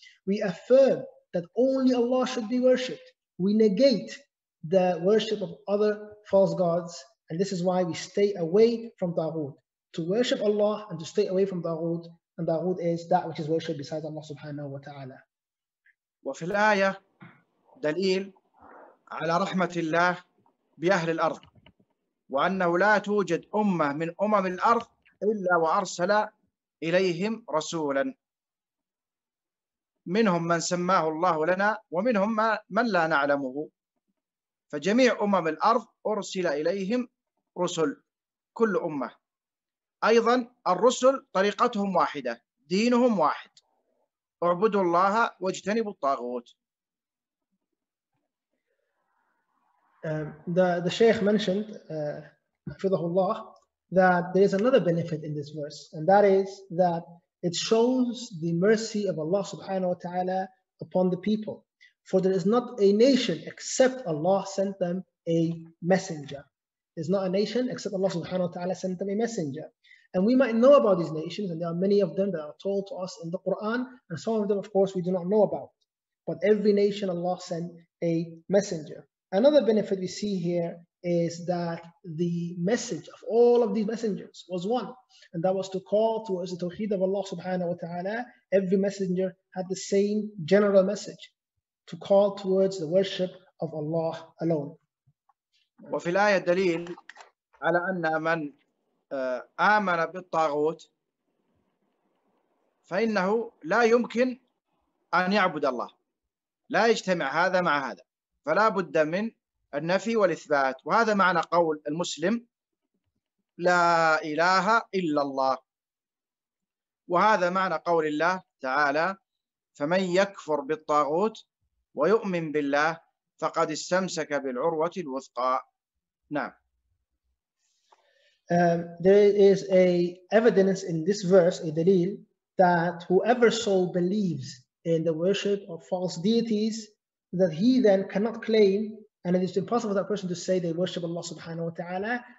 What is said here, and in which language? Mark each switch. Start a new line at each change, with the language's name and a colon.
English: We affirm that only Allah should be worshipped. We negate the worship of other false gods. And this is why we stay away from taghut. To worship Allah and to stay away from taghut. And taghut is that which is worshipped besides Allah subhanahu wa ta'ala.
Arabic: وفي الآية دليل على رحمة الله بأهل الأرض، وأنه لا توجد أمة من أمم الأرض إلا وأرسل إليهم رسولا، منهم من سماه الله لنا ومنهم من لا نعلمه، فجميع أمم الأرض أرسل إليهم رسل، كل أمة. أيضا الرسل طريقتهم واحدة، دينهم واحد، اعبدوا الله واجتنبوا الطاغوت.
English: The Shaykh mentioned, hafidhahullah, that there is another benefit in this verse, and that is that it shows the mercy of Allah subhanahu wa ta'ala upon the people. For there is not a nation except Allah sent them a messenger. There's not a nation except Allah subhanahu wa ta'ala sent them a messenger. And we might know about these nations, and there are many of them that are told to us in the Quran, and some of them, of course, we do not know about. But every nation Allah sent a messenger. Another benefit we see here is that the message of all of these messengers was one, and that was to call towards the Tawheed of Allah subhanahu wa ta'ala. Every messenger had the same general message, to call towards the worship of Allah alone.
Arabic: وفي الآية دليل على أن من آمن بالطاغوت فإنه لا يمكن أن يعبد الله، لا يجتمع هذا مع هذا، فلا بد من النفي والإثبات، وهذا معنى قول المسلم لا إله إلا الله، وهذا معنى قول الله تعالى فمن يكفر بالطاغوت ويؤمن بالله فقد استمسك بالعروة الوثقى. نعم.
English: There is a evidence in this verse, a dalil, that whoever so believes in the worship of false deities, that he then cannot claim, and it is impossible for that person to say they worship Allah subhanahu wa ta'ala.